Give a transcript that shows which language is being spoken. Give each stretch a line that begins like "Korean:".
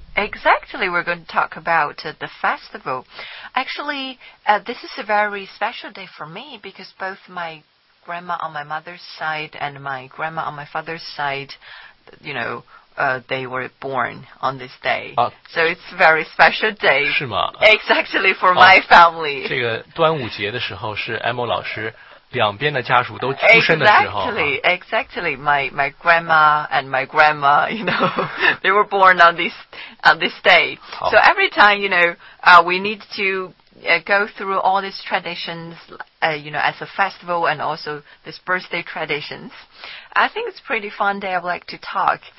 English: Exactly, we're going to talk about the festival. Actually, this is a very special day for me because both my grandma on my mother's side and my grandma on my father's side, you know,they were born on this day. So it's a very special day.
Chinese: 是吗?
English: Exactly, for my family.
Chinese: 这个端午节的时候是 Emma 老师两边的家属都出生的时候。
English: Exactly. My grandma and my grandma, you know, they were born on this day. So every time, you know, we need to go through all these traditions, you know, as a festival and also these birthday traditions. I think it's a pretty fun day. I'd like to talk.